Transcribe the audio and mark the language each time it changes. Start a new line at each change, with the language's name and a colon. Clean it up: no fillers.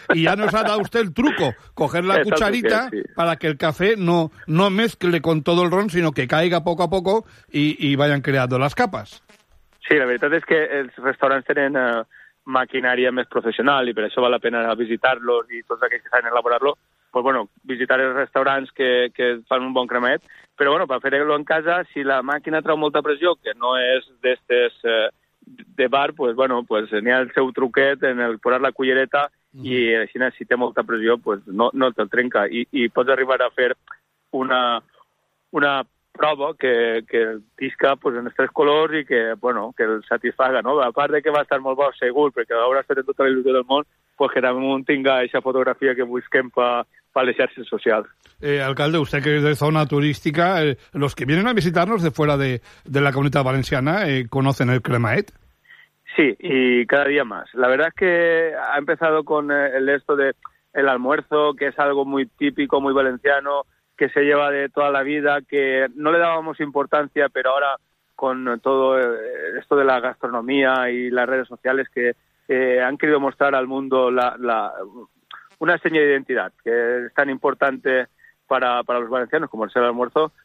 Spanish: Y ya nos ha dado usted el truco, coger la cucharita para que el café no mezcle con todo el ron, sino que caiga poco a poco y vayan creando las capas. Sí, la verdad es que los restaurantes tienen maquinaria más profesional y por eso vale la pena visitarlos y todos aquellos que saben elaborarlo.
Catalan: Pues bueno, visitar els restaurants que fan un bon cremaet, però bueno, per fer-lo en casa, si la màquina trau molta pressió, que no és d'estes de bar, pues bueno, pues n'hi ha el seu truquet en el posar la cullereta i així si té molta pressió, pues no te'l trenca i pots arribar a fer una prova que tisca pues, en els tres colors i que, bueno, que el satisfaga, no? A part de que va estar molt bo, segur, perquè l'haurà estat en tota la il·lusió del món, pues que damunt tinga aquesta fotografia que busquem per les xarxes socials.
Spanish: Alcalde, usted que es de zona turística, los que vienen a visitarnos de fuera de la Comunitat Valenciana, ¿conocen el cremaet? Sí, y cada día más. La verdad es que ha empezado con esto de el almuerzo, que es algo muy típico, muy valenciano, que se lleva de toda la vida, que no le dábamos importancia, pero ahora con todo esto de la gastronomía y las redes sociales que han querido mostrar al mundo una seña de identidad que es tan importante para los valencianos como es el almuerzo.